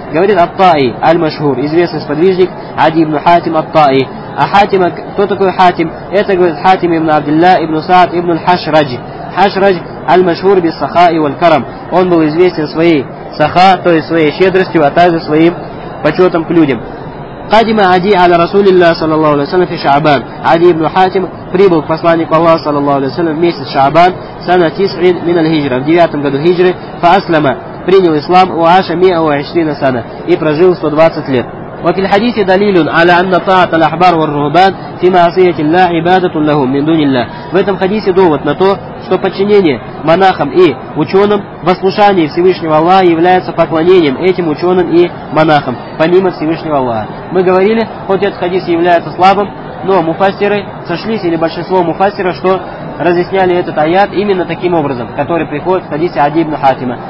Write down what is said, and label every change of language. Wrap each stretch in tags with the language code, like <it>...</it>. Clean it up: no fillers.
<ru>Говорит Ат-Таи, Аль-Машхур, известный сподвижник Ади ибн Хатим Ат-Таи. А Хатима, кто такой Хатим? Это говорит Хатим ибн Абдилла ибн Саад ибн Аль-Хашраджи.</ru> <ar>Хашрадж Аль-Машхур бис-Саха и Валь-Карам.</ar> <ru>Он был известен своей саха, то есть своей щедростью, а также своим почетом к людям.</ru> <ar>قادم عدي على رسول الله صلى الله عليه وسلم في شعبان.</ar> <ru>عدي بن حاتم прибыл к посланнику Аллаха</ru> <ar>صلى الله عليه وسلم</ar> <ru>в месяц Шаабан, сана 90</ru> <ar>من الهجرة,</ar> <ru>в 9 году хиджры,</ru> <ar>فأسلم,</ar> <ru>принял ислам,</ru> <ar>وعاش 120 سنة,</ar> <ru>и прожил 120 лет.</ru> <ar>وفي الحديث دليل على أن طاعة الأحبار والرهبان في معصية الله عبادة لهم من دون الله.</ar> <ru>В этом хадисе довод на то, что подчинение монахам и ученым в ослушании Всевышнего Аллаха является поклонением этим ученым и монахам, помимо Всевышнего Аллаха. Мы говорили, хоть этот хадис является слабым, но муфассиры сошлись, или большинство муфассиров, что разъясняли этот аят именно таким образом, который приходит в хадисе Ади ибн Хатима.</ru>